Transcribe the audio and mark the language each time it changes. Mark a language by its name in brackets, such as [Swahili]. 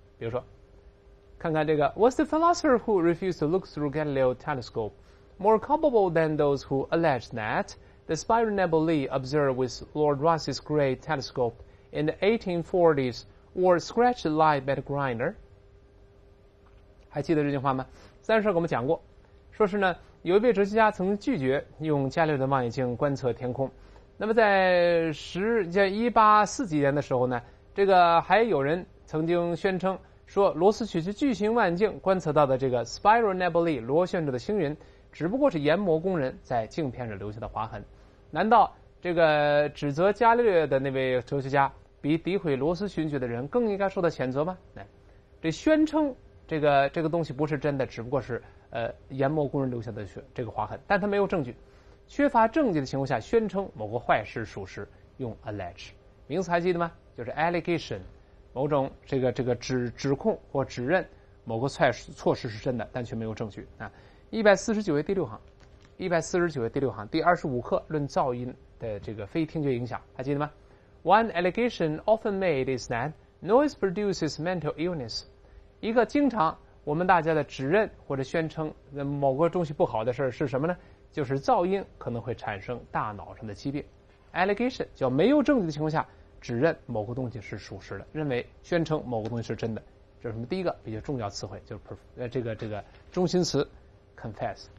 [Chinese] 比如说看看这个 [English] Was the philosopher who refused to look through Galileo telescope more culpable than those who alleged that the spiral nebulae observed with Lord Rosse's great telescope in the 1840s were scratched light by the grinder？ [Chinese] 还记得这句话吗？三十二给我们讲过，说是呢有一位哲学家曾拒绝用伽利略的望远镜观测天空。那么在1840几年的时候呢，这个还有人曾经宣称说罗斯取去巨型望远镜观测到的这个 [English] spiral nebulae [Chinese] 螺旋着的星云只不过是研磨工人在镜片上留下的划痕。难道这个指责伽利略的那位哲学家比诋毁罗斯寻觅的人更应该受到谴责吗？这宣称这个东西不是真的，只不过是研磨工人留下的这个划痕，但他没有证据，缺乏证据的情况下宣称某个坏事属实，用 allege。名词还记得吗？就是 allegation， 某种这个指控或指认某个错事是真的，但却没有证据。啊，149页第6行第25课，论噪音的这个非听觉影响，还记得吗？ [English] One allegation often made is that noise produces mental illness。 [Chinese] 一个经常我们大家的指认或者宣称某个东西不好的事是什么呢？就是噪音可能会产生大脑上的疾病。 Allegation 叫没有证据的情况下指认某个东西是属实的，认为宣称某个东西是真的。这是我们第一个比较重要词汇，就是这个中心词 confess。